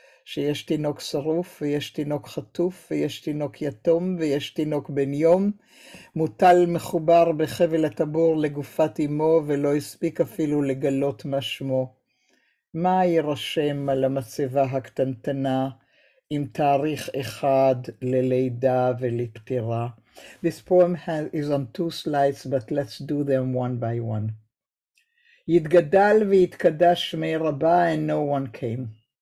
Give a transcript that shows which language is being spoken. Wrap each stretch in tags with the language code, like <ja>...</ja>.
<he>שיש תינוק שרוף, ויש תינוק חטוף, ויש תינוק יתום, ויש תינוק בן יום, מוטל מחובר בחבל הטבור לגופת אמו, ולא הספיק אפילו לגלות מה שמו. מה יירשם על המצבה הקטנטנה, עם תאריך אחד ללידה ולפטירה?</he> <en>This poem is on two slides, but let's do them one by one.</en> <arc>יתגדל ויתקדש מי רבה,</arc> <en>and no one came.</en>